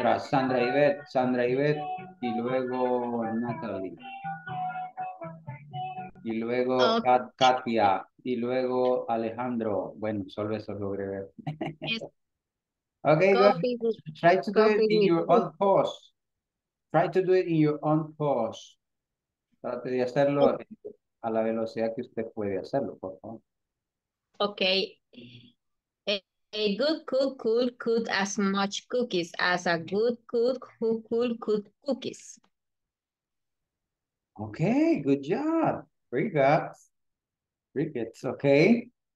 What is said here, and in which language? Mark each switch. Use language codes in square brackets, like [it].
[es] Sandra Ivette, y luego Natalie. Y luego okay. Katia, y luego Alejandro. Bueno, solo eso logré ver. [en] Okay, try to do it in your own pause. Try to do it in your own pause. [es] Trate de hacerlo a la velocidad que usted puede hacerlo, por favor. [en] Okay. A good cook could cook as much cookies as a good cook who could cook cookies. Okay, good job. Crickets, okay.